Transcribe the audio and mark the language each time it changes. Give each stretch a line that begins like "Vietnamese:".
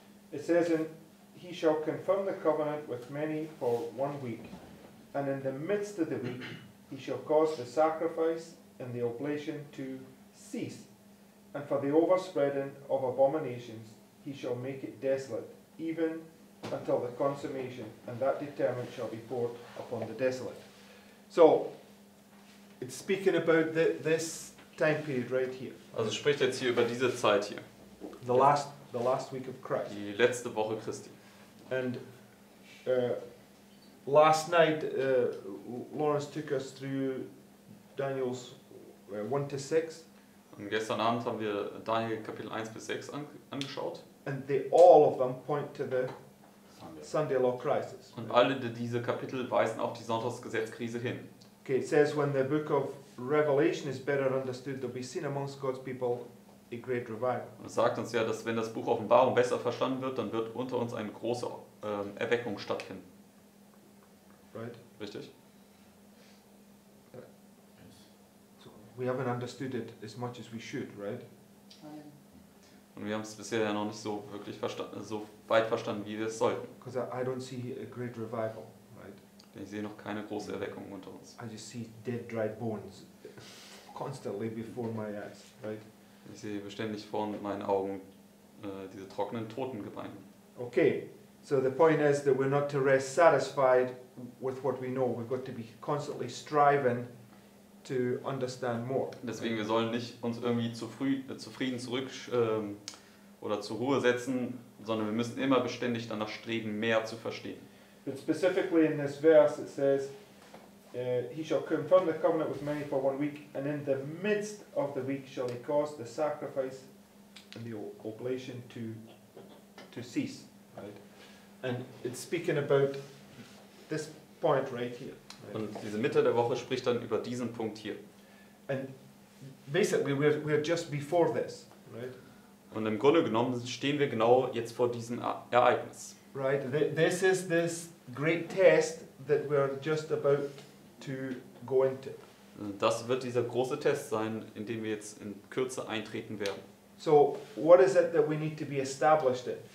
English: It says, and he shall confirm the covenant with many for 1 week, and in the midst of the week he shall cause the sacrifice and the oblation to cease, and for the overspreading of abominations he shall make it desolate, even until the consummation, and that determined shall be poured upon the desolate. So, it's speaking about this time period right here.
German: Also spricht jetzt hier über diese Zeit hier.
English: The last week of Christ.
German: Die letzte Woche Christi.
English: And last night Lawrence took us through Daniel's 1-6.
German: Und gestern Abend haben wir Daniel Kapitel 1 bis 6 angeschaut.
English: And they all of them point to the Sunday law crisis.
German: Und alle diese Kapitel weisen auf die Sonntagsgesetzkrise hin.
English: Okay, it says when the book of Revelation is better understood, they'll be seen amongst God's people a great revival.
German: Es sagt uns ja, dass wenn das Buch Offenbarung besser verstanden wird, dann wird unter uns eine große Erweckung stattfinden.
English: Right?
German: Richtig.
English: So we haven't understood it as much as we should, right?
German: Und wir haben es bisher ja noch nicht so wirklich verstanden, so weit verstanden, wie wir es sollten.
English: Because I don't see a great revival, right?
German: Denn ich sehe noch keine große Erweckung unter uns.
English: I just see dead, dry bones constantly before my eyes, right?
German: Ich sehe beständig vor meinen Augen diese trockenen Totengebeine.
English: Okay, so the point is that we're not to rest satisfied with what we know. We've got to be constantly striving to understand more.
German: Deswegen, wir sollen nicht uns irgendwie zufrieden zurück oder zur Ruhe setzen, sondern wir müssen immer beständig danach streben, mehr zu verstehen.
English: But specifically in this verse it says, he shall confirm the covenant with many for 1 week, and in the midst of the week shall he cause the sacrifice and the oblation to cease. Right? And it's speaking about this point right here.
German: Und diese Mitte der Woche spricht dann über diesen Punkt hier.
English: And basically we're just before this, right?
German: Und im Grunde genommen stehen wir genau jetzt vor diesem Ereignis.
English: Right, this is this great test that we're just about to go into.
German: Das wird dieser große Test sein, in dem wir jetzt in Kürze eintreten werden.
English: So, what is it that we need to be established in?